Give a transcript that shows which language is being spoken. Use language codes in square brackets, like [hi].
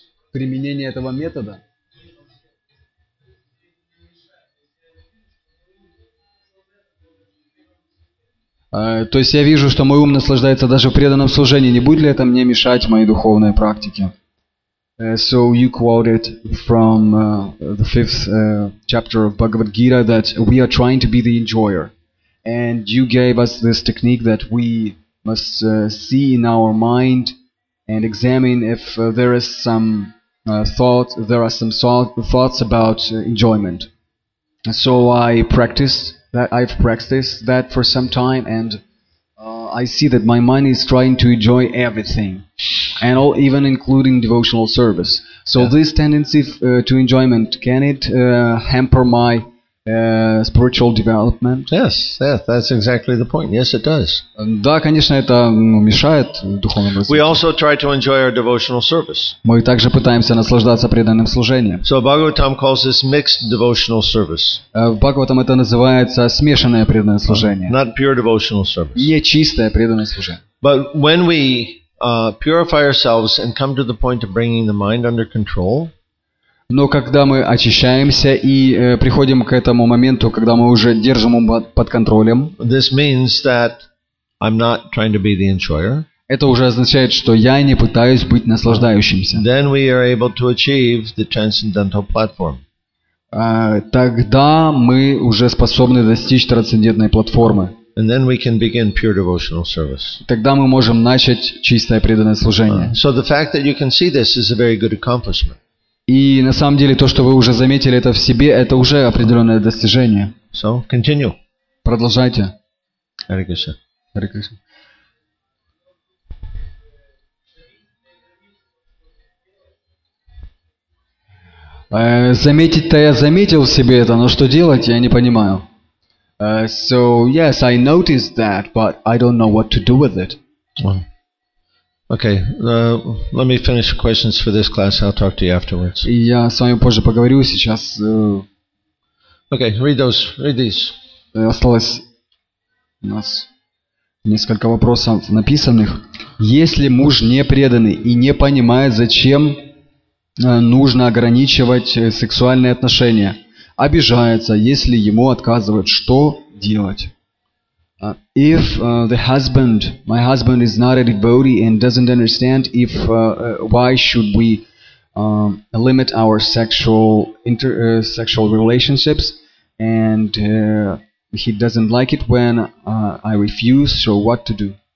[ru] Применение этого метода. То есть я вижу, что мой ум наслаждается даже в преданном служении. Не будет ли это мне мешать моей духовной практике? [en] So you quoted from the fifth chapter of Bhagavad Gita that we are trying to be the enjoyer. And you gave us this technique that we must see in our mind and examine if there is some thought, there are some thoughts about enjoyment. So I've practiced that for some time, and I see that my mind is trying to enjoy everything, and all, even including devotional service. So yeah. This tendency to enjoyment, can it hamper my spiritual development? Yes, that's exactly the point. Yes, it does. [ru] Да, конечно, это мешает духовному развитию. [en] We also try to enjoy our devotional service. [ru] Мы также пытаемся наслаждаться преданным служением. [en] So Bhagavatam calls this mixed devotional service. [ru] В Бхагаватам это называется смешанное преданное служение. [en] Not pure devotional service. [ru] Не чистое преданное служение. [en] But when we purify ourselves and come to the point of bringing the mind under control. [ru] Но когда мы очищаемся и приходим к этому моменту, когда мы уже держим ум под контролем, [en] this means that I'm not trying to be the enjoyer. [ru] Это уже означает, что я не пытаюсь быть наслаждающимся. [en] Then we are able to achieve the transcendental platform. [ru] Тогда мы уже способны достичь трансцендентной платформы. [en] And then we can begin pure devotional service. [ru] Тогда мы можем начать чистое преданное служение. [en] So the fact that you can see this is a very good accomplishment. [ru] И на самом деле то, что вы уже заметили это в себе, это уже определенное достижение. [en] So, continue. [ru] Продолжайте. [en] Hare Krishna. Hare Krishna. [ru] Заметить-то я заметил в себе это, но что делать, я не понимаю. [en] So, yes, I noticed that, but I don't know what to do with it. Okay, let me finish questions for this class. I'll talk to you afterwards. [ru] Я с вами позже поговорю сейчас. [en] Okay, read these. [ru] Осталось у нас несколько вопросов написанных. Если муж не преданный и не понимает, зачем нужно ограничивать сексуальные отношения, обижается, если ему отказывают, что делать? [en] If the husband, my husband is not a devotee and doesn't understand, if why should we limit our sexual relationships, and he doesn't like it when I refuse, so what to do?